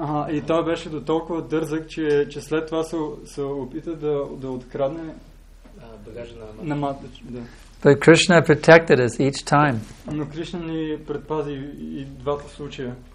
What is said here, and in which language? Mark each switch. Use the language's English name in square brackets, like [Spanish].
[Bulgarian] И той беше до толкова дързък, че след това се опита да открадне багажа на Мата. [English] But Krishna protected us each time. [Bulgarian] Но Кришна ни предпази и двата случая.